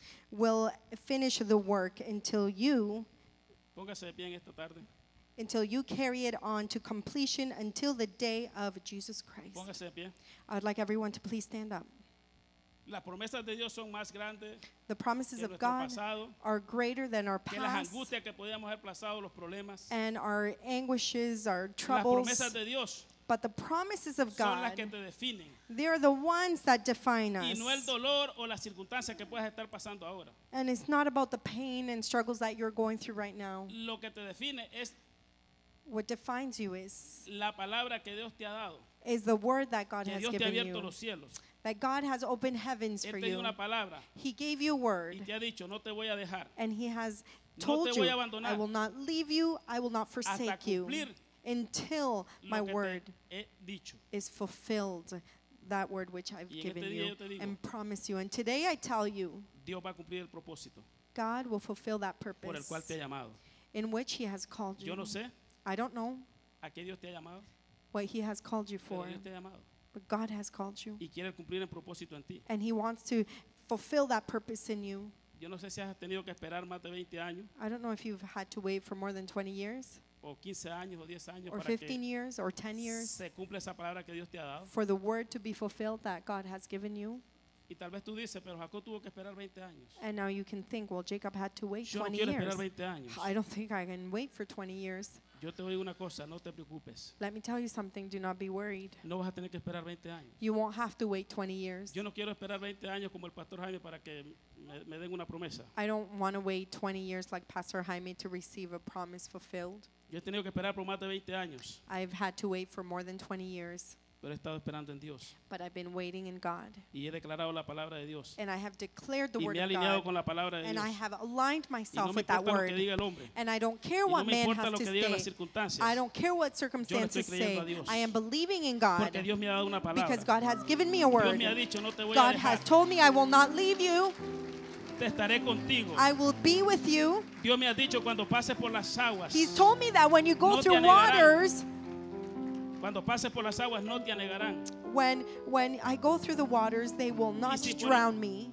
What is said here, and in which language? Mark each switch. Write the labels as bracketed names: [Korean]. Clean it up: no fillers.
[English] will finish the work until you, [Spanish] póngase de pie en esta tarde, [English] until you carry it on to completion until the day of Jesus Christ. [Spanish] Póngase de pie. [English] I would like everyone to please stand up. [Spanish] Las promesas de Dios son más grandes. [English] The promises of God are greater than our past. [Spanish] Que las angustias que podíamos haber pasado, los problemas. [English] And our anguishes, our troubles. [Spanish] Las promesas de Dios. [English] But the promises of [Spanish] son [English] God. [Spanish] Son las que te definen. [English] They are the ones that define us. [Spanish] Y no el dolor o las circunstancias que puedas estar pasando ahora. [English] And it's not about the pain and struggles that you're going through right now. [Spanish] Lo que te define es. [English] What defines you is. [Spanish] La palabra que Dios te ha dado. [English] Is the word that God has [Spanish] Dios [English] given [Spanish] te ha abierto [English] you. [Spanish] Los cielos. [English] That God has opened heavens for [Spanish] te dio Una palabra. [English] He gave you a word. [Spanish] Y te ha dicho, no te voy a dejar. [English] And he has told [Spanish] no te voy [English] you, [Spanish] a abandonar. [English] I will not leave you, I will not forsake [Spanish] hasta cumplir [English] you until my [Spanish] lo que [English] word [Spanish] te he dicho. [English] Is fulfilled, that word which I've [Spanish] y en [English] given [Spanish] este día [English] you [Spanish] yo te digo, [English] and promise you. And today I tell you, [Spanish] Dios va a cumplir el propósito. [English] God will fulfill that purpose [Spanish] por el cual te ha llamado. [English] In which he has called [Spanish] yo [English] you. [Spanish] No sé. [English] I don't know. [Spanish] ¿A qué Dios te ha llamado? [English] What he has called you for. But God has called you. [Spanish] Y quiere cumplir el propósito en ti. [English] And he wants to fulfill that purpose in you. [Spanish] Yo no sé si has tenido que esperar más de 20 años. [English] I don't know if you've had to wait for more than 20 years. [Spanish] O 15 años, o 10 años [English] or [Spanish] para [English] 15 [Spanish] que [English] years or 10 years. [Spanish] Se cumple esa palabra que Dios te ha dado. [English] For the word to be fulfilled that God has given you. [Spanish] Y tal vez tú dices, pero Jacob tuvo que esperar 20 años. [English] And now you can think, well, Jacob had to wait 20 years. [Spanish] Yo no esperar 20 años. [English] I don't think I can wait for 20 years. [Spanish] Yo te digo una cosa, no te preocupes. [English] Let me tell you something, do not be worried. [Spanish] No vas a tener que esperar 20 años. [English] You won't have to wait 20 years. [Spanish] Yo no quiero esperar 20 años como el pastor Jaime para que me den una promesa. [English] I don't want to wait 20 years like Pastor Jaime to receive a promise fulfilled. [Spanish] Yo he tenido que esperar por más de 20 años. [English] I've had to wait for more than 20 years. [Spanish] Pero he estado esperando en Dios. [English] But I've been waiting in God. [Spanish] Y he declarado la palabra de Dios. [English] And I have declared the word of God. [Spanish] Y me he alineado con la palabra de [English] and [Spanish] Dios. [English] And I have aligned myself [Spanish] no me [English] with that word. [Spanish] Lo que diga el hombre. [English] And I don't care what [Spanish] no me [English] man has [Spanish] lo [English] to [Spanish] que diga [English] say. [Spanish] Las circunstancias. [English] I don't care what circumstances [Spanish] yo estoy creyendo [English] say. [Spanish] A Dios. [English] I am believing in God. [Spanish] Porque Dios me ha dado una palabra. [English] Because God has given me a word. [Spanish] Dios me ha dicho, no te voy [English] God [Spanish] a dejar. [English] Has told me I will not leave you. [Spanish] Te estaré contigo. [English] I will be with you. [Spanish] Dios me ha dicho, cuando pases por las aguas, [English] He's told me that when you go [Spanish] no [English] through waters. [Spanish] Cuando pases por las aguas no te anegarán. [English] When I go through the waters they will not drown me.